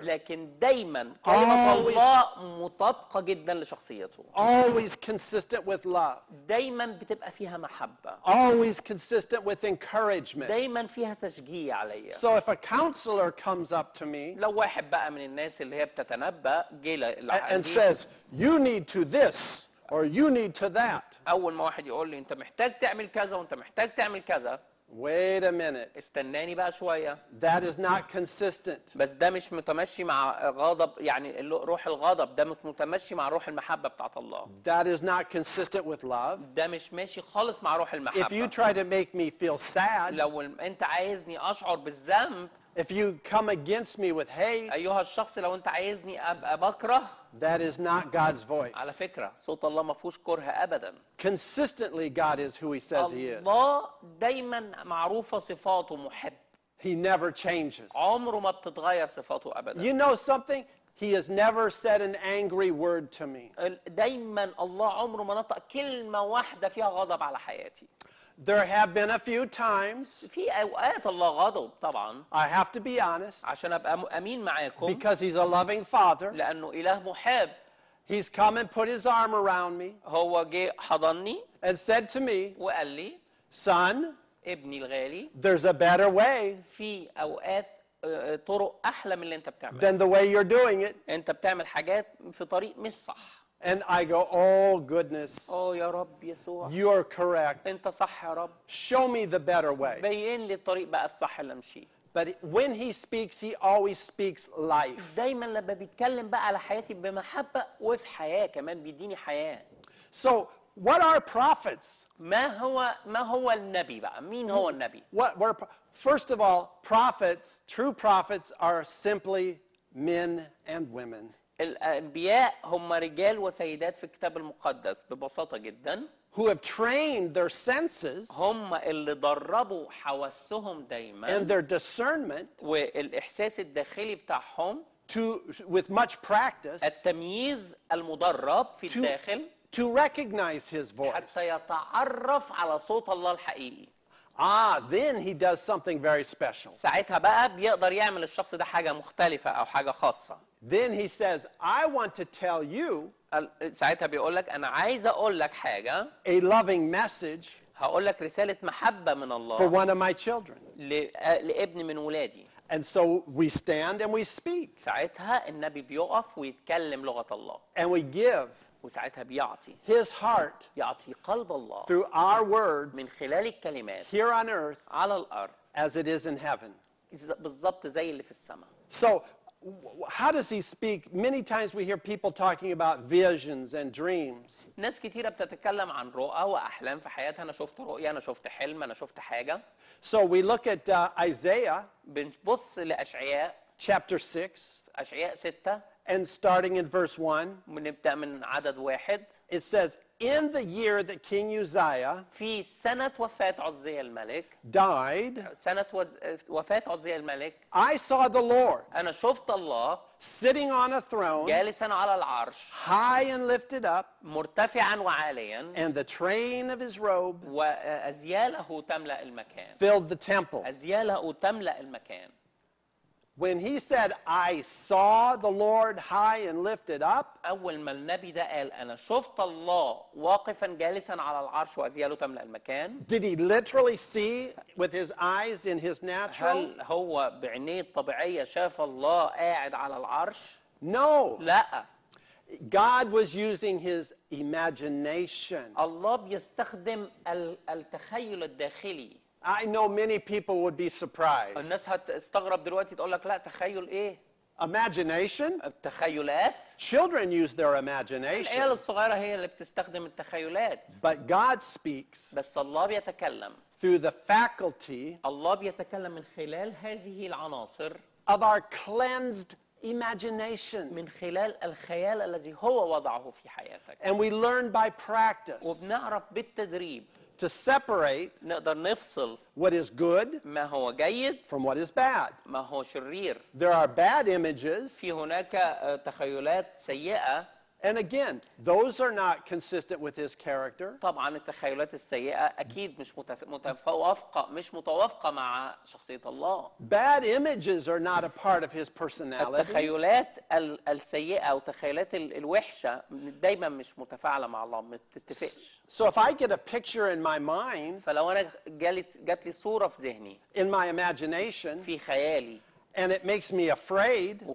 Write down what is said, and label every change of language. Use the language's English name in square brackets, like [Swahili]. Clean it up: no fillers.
[Arabic] لكن دايما كلمه الله مطابقه جدا لشخصيته. [English] Always consistent with love. [Arabic] دايما بتبقى فيها محبه. [English] Always consistent with encouragement. [Arabic] دايما فيها تشجيع عليا. [English] So if a counselor comes up to me. [Arabic] لو واحد بقى من الناس اللي هي بتتنبأ جه لعندي. [English] And says you need to this or you need to that. [Arabic] اول ما واحد يقول لي انت محتاج تعمل كذا وانت محتاج تعمل كذا. [English] Wait a minute. [Arabic] استناني بقى شويه. [English] That is not consistent. [Arabic] بس ده مش متمشي مع غضب يعني روح الغضب ده مش متمشي مع روح المحبه بتاعت الله. [English] That is not consistent with love. [Arabic] ده مش ماشي خالص مع روح المحبه. [English] If you try to make me feel sad. [Arabic] لو انت عايزني اشعر بالذنب. [English] If you come against me with hate, [Arabic] أيها الشخص لو أنت عايزني أبقى بكره, [English] that is not God's voice. [Arabic] على فكرة صوت الله ما فيهوش كره أبدا. [English] Consistently, God is who He says He is. [Arabic] الله دايما معروفة صفاته محب. [English] He never changes. [Arabic] عمره ما بتتغير صفاته أبدا. [English] You know something? He has never said an angry word to me. [Arabic] دايما الله عمره ما نطق كلمة واحدة فيها غضب على حياتي. [English] There have been a few times. [Arabic] في أوقات الله غضب طبعاً. [English] I have to be honest. [Arabic] عشان أبقى أمين معاكم. [English] Because he's a loving father. [Arabic] لأنه إله محب. [English] He's come and put his arm around me. [Arabic] هو جه حضني. [English] And said to me. [Arabic] وقال لي. [English] Son. [Arabic] ابني الغالي. [English] There's a better way. [Arabic] في أوقات طرق أحلى من اللي أنت بتعمل. [English] Than the way you're doing it. [Arabic] أنت بتعمل حاجات في طريق مش صح. [English] And I go, oh goodness. [Arabic] Oh, يا رب يسوع. [English] You are correct. [Arabic] أنت صح يا رب. [English] Show me the better way. [Arabic] بين لي الطريق بقى الصح اللي أمشي. [English] But when he speaks, he always speaks life. [Arabic] دايما لما بيتكلم بقى على حياتي بمحبة وفي حياة كمان بيديني حياة. [English] So what are prophets? [Arabic] ما هو النبي بقى؟ مين هو النبي؟ [English] First of all, prophets, true prophets are simply men and women. [Arabic] الأنبياء هم رجال وسيدات في الكتاب المقدس ببساطة جدا. [English] Who have trained their senses. [Arabic] هم اللي دربوا حواسهم دايما. [English] And their discernment. [Arabic] والإحساس الداخلي بتاعهم. [English] To with much practice. [Arabic] التمييز المدرب في الداخل. [English] To recognize his voice. [Arabic] حتى يتعرف على صوت الله الحقيقي. [English] Ah, then he does something very special. [Arabic] ساعتها بقى بيقدر يعمل الشخص ده حاجة مختلفة أو حاجة خاصة. [English] Then he says, I want to tell you [Arabic] ساعتها بيقول لك أنا عايز أقول لك حاجة [English] a loving message [Arabic] هقول لك رسالة محبة من الله [English] for one of my children. [Arabic] لابن من ولادي. [English] And so we stand and we speak. [Arabic] ساعتها النبي بيقف ويتكلم لغة الله. [English] And we give [Arabic] وساعتها بيعطي [English] his heart [Arabic] يعطي قلب الله [English] through our words [Arabic] من خلال الكلمات [English] here on earth [Arabic] على الأرض [English] as it is in heaven [Arabic] بالضبط زي اللي في السماء. [English] So how does he speak? Many times we hear people talking about visions and dreams. [Arabic] ناس كتيرة بتتكلم عن رؤى وأحلام في حياتها. أنا شفت رؤية، أنا شفت حلم، أنا شفت حاجة. [English] So we look at Isaiah. [Arabic] بنبص لأشعياء. [English] Chapter 6. [Arabic] أشعياء 6. [English] And starting in verse 1. [Arabic] بنبدأ من عدد واحد. [English] It says, in the year that King Uzziah [Arabic] في سنة وفاة عزيا الملك [English] died [Arabic] سنة وفاة عزيا الملك [English] I saw the Lord [Arabic] أنا شفت الله [English] sitting on a throne [Arabic] جالسا على العرش [English] high and lifted up [Arabic] مرتفعا وعاليا [English] and the train of his robe [Arabic] وأزياله تملأ المكان [English] filled the temple [Arabic] أزياله تملأ المكان. [English] When he said, "I saw the Lord high and lifted up," [Arabic] أول ما النبي ده قال أنا شفت الله واقفا جالسا على العرش وأزياله تملأ المكان. [English] Did he literally see with his eyes in his natural? [Arabic] هل هو بعينيه الطبيعية شاف الله قاعد على العرش؟ [English] No. [Arabic] لا. [English] God was using his imagination. [Arabic] الله بيستخدم التخيل الداخلي. [English] I know many people would be surprised. [Arabic] الناس هتستغرب دلوقتي تقول لك لا تخيل ايه؟ [English] Imagination. [Arabic] التخيلات. [English] Children use their imagination. [Arabic] العيال الصغيرة هي اللي بتستخدم التخيلات. [English] But God speaks. [Arabic] بس الله بيتكلم. [English] Through the faculty. [Arabic] الله بيتكلم من خلال هذه العناصر. [English] Of our cleansed imagination. [Arabic] من خلال الخيال الذي هو وضعه في حياتك. [English] And we learn by practice. [Arabic] وبنعرف بالتدريب. [English] To separate [Arabic] نقدر نفصل [English] what is good [Arabic] ما هو جيد [English] from what is bad [Arabic] ما هو شرير. [English] There are bad images [Arabic] في هناك تخيلات سيئة. [English] And again, those are not consistent with his character. [Arabic] طبعا التخيلات السيئة أكيد مش متوافقة مش متوافقة مع شخصية الله. [English] Bad images are not a part of his personality. [Arabic] التخيلات السيئة أو التخيلات الوحشة دايما مش متفاعلة مع الله ما تتفقش. [English] So if I get a picture in my mind [Arabic] فلو أنا جات لي صورة في ذهني [English] in my imagination [Arabic] في خيالي [English] and it makes me afraid